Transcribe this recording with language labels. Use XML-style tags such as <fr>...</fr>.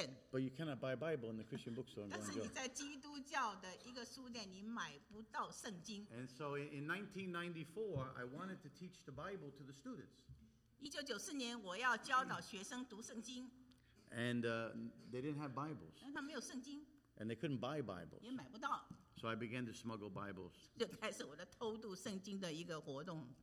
<en>But you cannot buy a Bible in the Christian bookstore in Guangzhou.</en> <zh>但是你在基督教的一个书店，你买不到圣经。</zh> <en>And so in 1994, I wanted to teach the Bible to the students.</en> <zh>1994年，我要教导学生读圣经。</zh> <en>And they didn't have Bibles.</en> <zh>但他没有圣经。</zh> <en>And they couldn't buy Bibles.</en> <zh>也买不到。</zh> <en>So I began to smuggle Bibles.</en> <zh>就开始我的偷渡圣经的一个活动。</zh>